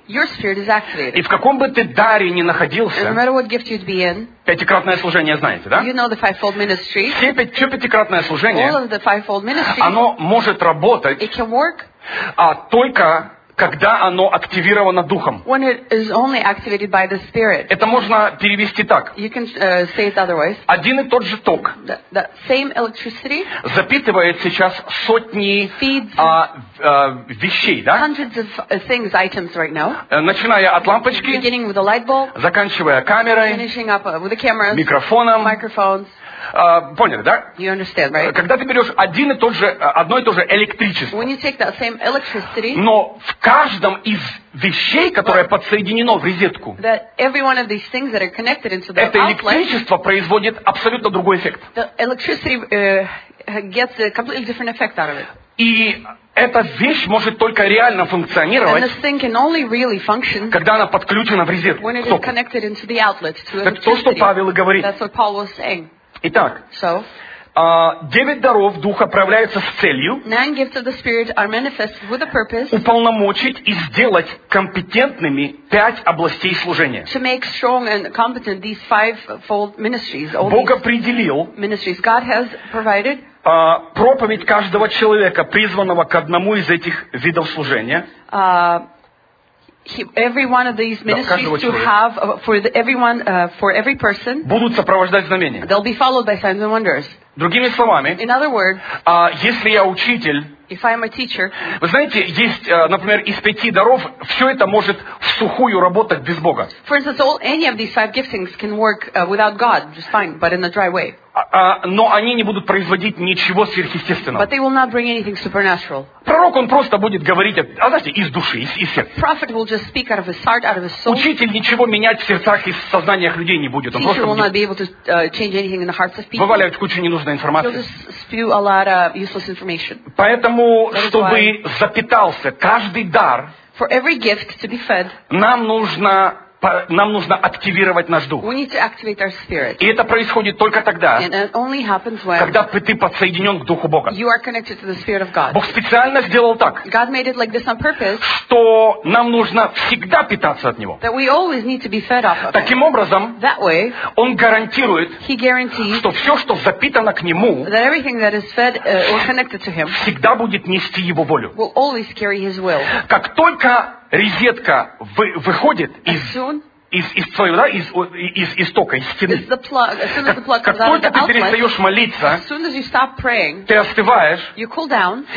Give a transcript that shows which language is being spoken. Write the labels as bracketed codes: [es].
[en] Your spirit is activated. [ru] И в каком бы ты даре ни находился, [en] no matter what gift you'd be in, [ru] пятикратное служение, знаете, да? [en] You know the five-fold ministry, [ru] все пятикратное служение, [en] all of the five-fold ministry, [ru] оно может работать, [en] it can work, [ru] только когда оно активировано духом. [en] When it is only activated by the spirit. [ru] Это можно перевести так. [en] You can, say it otherwise. [ru] Один и тот же ток. [en] The same electricity [ru] запитывает сейчас сотни [en] feeds [ru] вещей, да? [en] Hundreds of things, items right now. [ru] Начиная от лампочки, [en] beginning with the light bulb, [ru] заканчивая камерой, [en] finishing up with the cameras, [ru] микрофоном, [en] microphones. [ru] Поняли, да? [en] You understand, right? [ru] Когда ты берешь один и тот же, одно и то же электричество, [en] when you take that same electricity, [ru] но в каждом из вещей, которое подсоединено в розетку, [en] that every one of these things that are connected into the [ru] это электричество [en] outlet, [ru] производит абсолютно другой эффект. [en] The electricity, gets a completely different effect out of it. [ru] И эта вещь может только реально функционировать, [en] really, [ru] когда она подключена в розетку. [en] When it is connected into the outlet, to electricity. [ru] Это то, что Павел и говорит. [en] That's what Paul was saying. [ru] Итак, [en] so, [ru] девять даров Духа проявляются с целью [en] nine gifts of the Spirit are manifested with a purpose, [ru] уполномочить и сделать компетентными пять областей служения. [en] To make strong and competent these five-fold ministries, all [ru] Бог определил [en] ministries God has provided, [ru] проповедь каждого человека, призванного к одному из этих видов служения. [en] Every one of these ministries, to have for the, everyone, for every person, [ru] будут сопровождать знамения. [en] They'll be followed by signs and wonders. [ru] Другими словами, [en] in other words, [ru] если я учитель, [en] if I'm a teacher, [ru] вы знаете, есть, например, из пяти даров все это может в сухую работать без Бога. [en] For instance, all any of these five giftings can work without God, just fine, but in a dry way. [ru] Но они не будут производить ничего сверхъестественного. [en] But they will not bring anything supernatural. [ru] Пророк, он просто будет говорить, знаете, из души, из сердца. [en] Prophet will just speak out of his heart, out of his soul. [ru] Учитель ничего менять в сердцах и в сознаниях людей не будет. Он просто [en] will not be able to change anything in the hearts of people. [ru] Вываливает кучу ненужной информации. [en] He'll just spew a lot of useless information. [ru] Поэтому, чтобы запитался каждый дар, [en] for every gift to be fed, [ru] нам нужно активировать наш дух. [en] We need to activate our spirit. [ru] И это происходит только тогда, [en] and it only happens when, [ru] когда ты подсоединен к Духу Бога. [en] You are connected to the spirit of God. [ru] Бог специально сделал так, [en] God made it like this on purpose, [ru] что нам нужно всегда питаться от Него. [en] That we always need to be fed off of him. [ru] Таким образом, [en] that way, [ru] Он гарантирует, [en] he guarantees, [ru] что все, что запитано к Нему, [en] that everything that is fed, or connected to him, [ru] всегда будет нести Его волю. [en] Will always carry his will. [ru] Как только резетка выходит из из твоего, да, из истока, из стены. [en] The plug. As soon as the plug comes out of the outlet, [ru] как только ты перестаешь молиться, [en] as soon as you stop praying, [ru] ты остываешь, [en] you cool down,